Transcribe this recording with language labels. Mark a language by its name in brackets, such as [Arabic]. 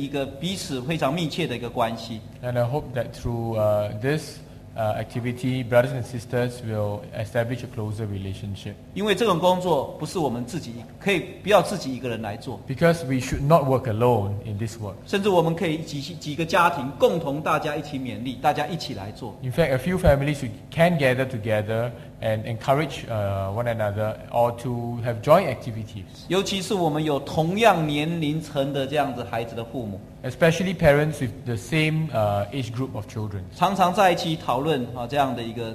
[Chinese] 并且我也希望在这个过程当中，我们弟兄姐妹真的要建立一个彼此非常密切的一个关系。 [English] And I hope that through this activity, brothers and sisters will establish a closer relationship. [Chinese] 因为这种工作不是我们自己可以不要自己一个人来做。 [English] Because we should not work alone in this work. [Chinese] 甚至我们可以几个家庭共同大家一起勉励，大家一起来做。 [English] In fact, a few families can gather together and encourage one another or to have joint activities. [Chinese] 尤其是我们有同样年龄层的这样子孩子的父母。 [English] Especially parents with the same age group of children. [Chinese] 常常在一起讨论这样的一个